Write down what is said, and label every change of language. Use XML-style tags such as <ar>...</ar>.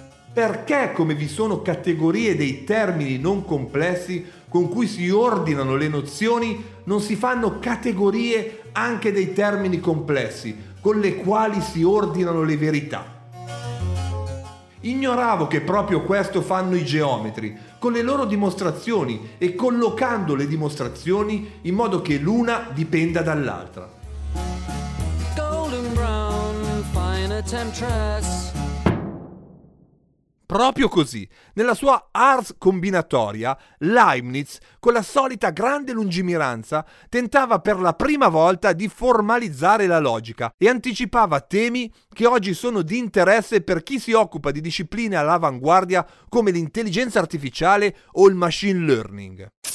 <it>Perché, come vi sono categorie dei termini non complessi con cui si ordinano le nozioni, non si fanno categorie anche dei termini complessi con le quali si ordinano le verità? Ignoravo che proprio questo fanno i geometri, con le loro dimostrazioni e collocando le dimostrazioni in modo che l'una dipenda dall'altra.</it> <en>Golden brown, fine temptress.</en> <it>Proprio così, nella sua Ars Combinatoria, Leibniz, con la solita grande lungimiranza, tentava per la prima volta di formalizzare la logica e anticipava temi che oggi sono di interesse per chi si occupa di discipline all'avanguardia come l'intelligenza artificiale o il machine learning.</it>